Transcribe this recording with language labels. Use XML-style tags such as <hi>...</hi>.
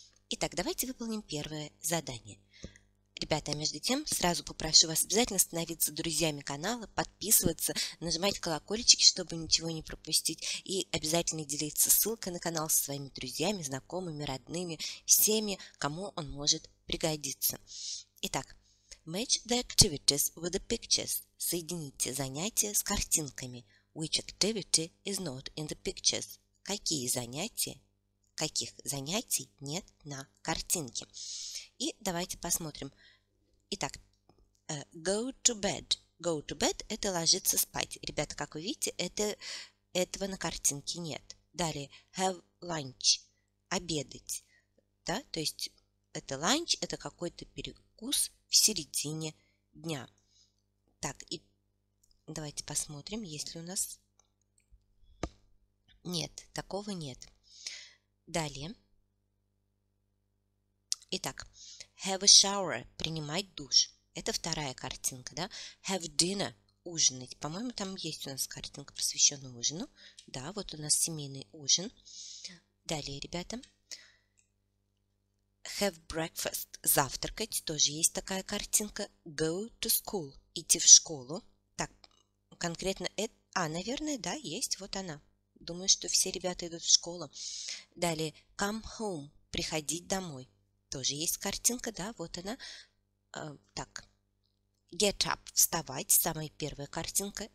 <ru>Итак, давайте выполним первое задание. Ребята, а между тем, сразу попрошу вас обязательно становиться друзьями канала, подписываться, нажимать колокольчики, чтобы ничего не пропустить, и обязательно делиться ссылкой на канал со своими друзьями, знакомыми, родными, всеми, кому он может пригодиться.</ru> <en>Итак, match the activities with the pictures.</en> <ru>Соедините занятия с картинками.</ru> <en>Which activity is not in the pictures?</en> <ru>Какие занятия? Каких занятий нет на картинке? И давайте посмотрим.</ru> <en>Итак, go to bed. Go to bed</en> <ru>– это ложиться спать. Ребята, как вы видите, этого на картинке нет. Далее,</ru> <en>have lunch</en> <ru>– обедать. Да? То есть, это lunch – это какой-то перекус в середине дня. Так, и давайте посмотрим, есть ли у нас... Нет, такого нет. Далее. Итак,</ru> <en>have a shower</en> <ru>– принимать душ. Это вторая картинка, да?</ru> <en>Have dinner –</en> <ru>ужинать. По-моему, там есть у нас картинка, посвященная ужину. Да, вот у нас семейный ужин. Далее, ребята.</ru> <en>Have breakfast –</en> <ru>завтракать. Тоже есть такая картинка.</ru> <en>Go to school</en> <ru>– идти в школу. Так, конкретно это... А, наверное, да, есть. Вот она. Думаю, что все ребята идут в школу. Далее,</ru> <en>come home</en> <ru>– приходить домой. Тоже есть картинка, да, вот она. Так,</ru> <en>get up</en> <ru>– вставать, самая первая картинка.</ru>